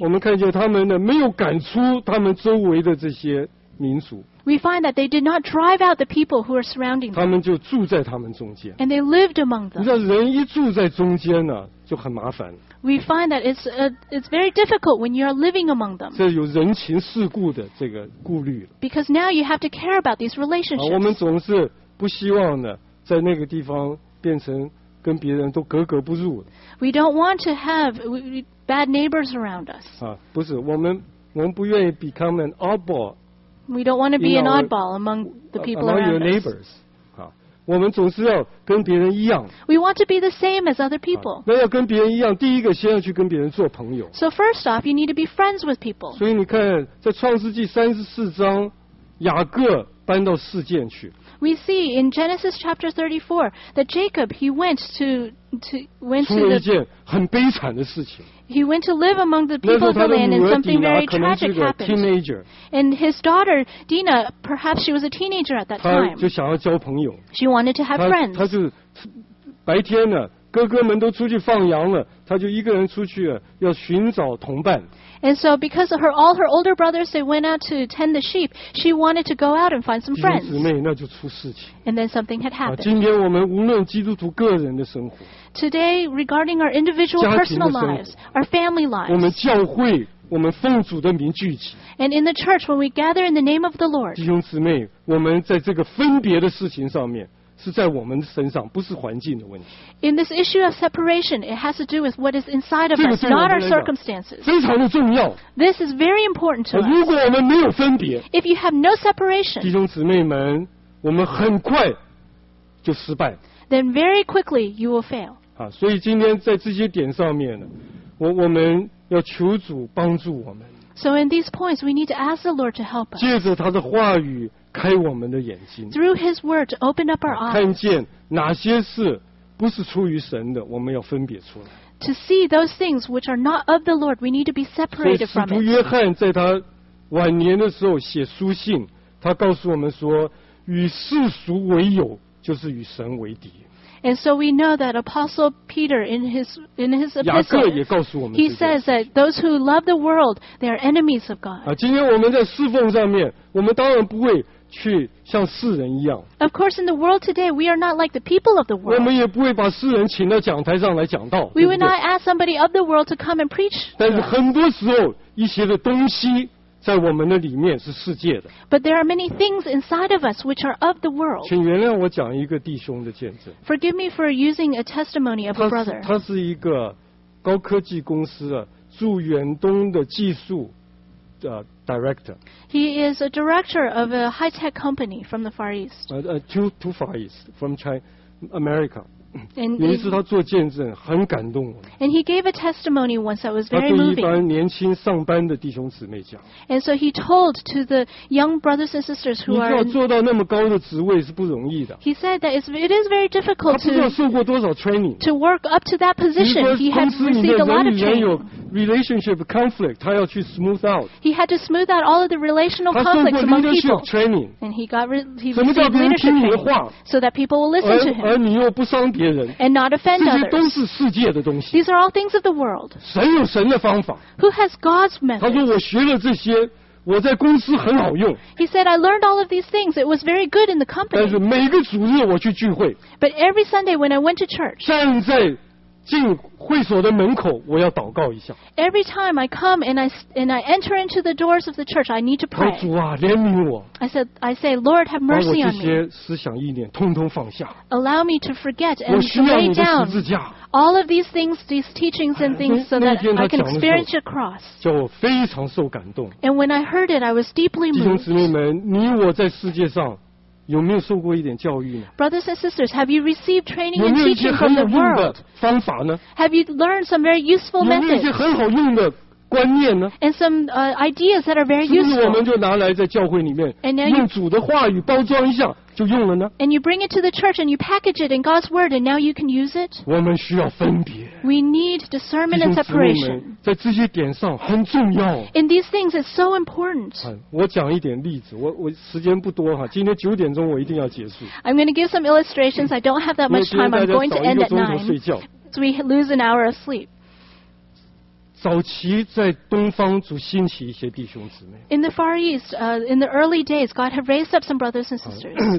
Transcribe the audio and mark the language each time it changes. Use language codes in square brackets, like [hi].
[zh] 我们看见他们呢没有赶出他们周围的这些民族。 [en] We find that they did not drive out the people who are surrounding them. [zh] 他们就住在他们中间。 [en] And they lived among them. [zh] 你知道人一住在中间呢就很麻烦。 [en] We find that it's very difficult when you are living among them. [zh] 这有人情世故的这个顾虑了。 [en] Because now you have to care about these relationships. [zh] 我们总是不希望呢在那个地方变成跟别人都格格不入。 [en] We don't want to have bad neighbors around us. [zh] 不是我们不愿意 [en] become an oddball. We don't want to be an oddball among the people around us. Among your neighbors. [zh] 我们总是要跟别人一样。 [en] We want to be the same as other people. [zh] 那要跟别人一样，第一个先要去跟别人做朋友。 [en] So first off, you need to be friends with people. [zh] 所以你看，在创世纪三十四章，雅各搬到示剑去。 [en] We see in Genesis chapter 34 that Jacob he went to went to [zh] 出了一件很悲惨的事情。 [en] He went to live among the people of the land, and something very tragic happened. And his daughter Dina, perhaps she was a teenager at that time. [zh] 她就想要交朋友。 [en] She wanted to have friends. [zh] 她就白天呢，哥哥们都出去放羊了，她就一个人出去要寻找同伴。 [en] And so because of all her older brothers, they went out to tend the sheep, she wanted to go out and find some friends. [zh] 姐妹，那就出事情。 [en] And then something had happened. [zh] 今天我们无论基督徒个人的生活。 [en] Today, regarding our individual personal lives, our family lives. [zh] 我们教会，我们奉主的名聚集。 [en] And in the church, when we gather in the name of the Lord. [zh] 弟兄姊妹，我们在这个分别的事情上面。是在我们身上，不是环境的问题。 [en] In this issue of separation, it has to do with what is inside of us, not our circumstances. [zh] 非常的重要。 [en] This is very important to us. [zh] 如果我们没有分别 [en] ，If you have no separation, [zh] 弟兄姊妹们，我们很快就失败。 [en] Then very quickly you will fail. [zh] 所以今天在这些点上面呢，我们要求主帮助我们。 [en] So in these points, we need to ask the Lord to help us. [zh] 借着他的话语。开我们的眼睛 [en] through his word to open up our eyes [zh] 看见哪些事不是出于神的我们要分别出来 [en] to see those things which are not of the Lord we need to be separated from it [zh] 所以使徒约翰在他晚年的时候写书信他告诉我们说与世俗为友就是与神为敌 [en] and so we know that Apostle Peter in his epistle [zh] 雅各也告诉我们 [en] he says that those who love the world they are enemies of God [zh] 今天我们在侍奉上面我们当然不会去像世人一样。 [en] Of course, in the world today, we are not like the people of the world. [zh] 我们也不会把世人请到讲台上来讲道。 [en] We would not ask somebody of the world to come and preach. [zh] 但是很多时候，一些的东西在我们的里面是世界的。 [en] But there are many things inside of us which are of the world. [zh] 请原谅我讲一个弟兄的见证。 [en] Forgive me for using a testimony of a brother. [zh] 他是一个高科技公司的驻远东的技术。 [en] Director. He is a director of a high-tech company from the Far East. To Far East, from China, America. [zh] 有一次他做见证，很感动我。 [en] And he gave a testimony once that was very moving. [zh] 他对一帮年轻上班的弟兄姊妹讲。 [en] And so he told to the young brothers and sisters who are. [zh] 你要做到那么高的职位是不容易的。 [en] He said that it is very difficult to. [zh] 他不知道受过多少 [en] training. To work up to that position, he had received a lot of training. [zh] 有 [en] relationship conflict, [zh] 他要去 [en] smooth out. He had to smooth out all of the relational conflicts among people. [zh] 他受过 [en] leadership training. And he received leadership training. So that people will listen to him. [zh] 而你又不伤。 [en] And not offend others. [zh] 这些都是世界的东西。 [en] These are all things of the world. [zh] 神有神的方法。 [en] Who has God's method? [zh] 他说我学了这些，我在公司很好用。 [en] He said I learned all of these things. It was very good in the company. [zh] 但是每个主日我去聚会。 [en] But every Sunday when I went to church. [zh] 站在进会所的门口，我要祷告一下。 [en] Every time I come and I enter into the doors of the church, I need to pray. [zh] 主啊，怜悯我。 [en] I say, Lord, have mercy on me. [zh] 把我这些思想意念通通放下。 [en] Allow me to forget and lay down all of these things, these teachings and things, so that I can experience your cross. [zh] 叫我非常受感动。 [en] And when I heard it, I was deeply moved. [zh] 弟兄姊妹们，你我在世界上。有没有受过一点教育呢 [en] ？Brothers and sisters, have you received training and teaching from the world? [zh] 方法呢 [en] ？Have you learned some very useful methods? [zh] 有没有一些很好用的观念呢 [en] and some、ideas that are very useful [zh] 是不是我们就拿来在教会里面 用主的话语包装一下就用了呢 [en] and you bring it to the church and you package it in God's word and now you can use it [zh] 我们需要分别 [en] we need discernment and separation [zh] 在这些点上很重要 [en] in these things it's so important、啊、 [zh] 我讲一点例子 我时间不多、啊、今天九点钟我一定要结束 [en] I'm going to give some illustrations I don't have that much time I'm going to end at 9 so we lose an hour of sleep [zh] 早期在东方主兴起一些弟兄姊妹 [en] In the far east,、in the early days, God had raised up some brothers and sisters.